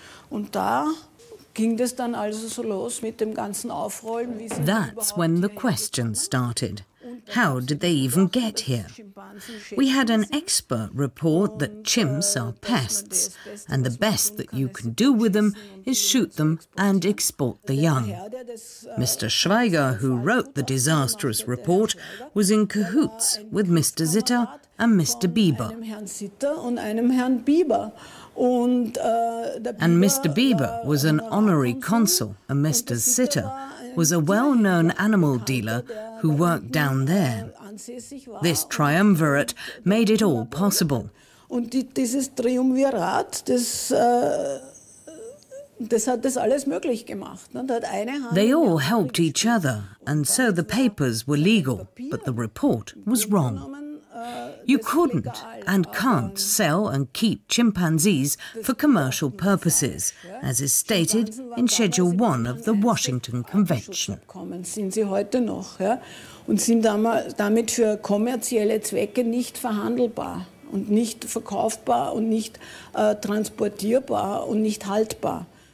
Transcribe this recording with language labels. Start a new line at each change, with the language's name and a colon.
German: Und da ging das dann also so los mit dem ganzen Aufrollen.
English: That's when the questions started. How did they even get here? We had an expert report that chimps are pests, and the best that you can do with them is shoot them and export the young. Mr. Schweiger, who wrote the disastrous report, was in cahoots with Mr. Sitter and Mr. Bieber. And Mr. Bieber was an honorary consul, and Mr. Sitter was a well-known animal dealer who worked down there. This triumvirate made it all possible. Und dieses Triumvirat, das hat das alles möglich gemacht. They all helped each other, and so the papers were legal, but the report was wrong. You couldn't and can't sell and keep chimpanzees for commercial purposes, as is stated in Schedule 1 of the Washington Convention.
German: Sind sie heute noch, ja? Und sind damit für kommerzielle Zwecke nicht verhandelbar und nicht verkaufbar und nicht transportierbar und nicht haltbar.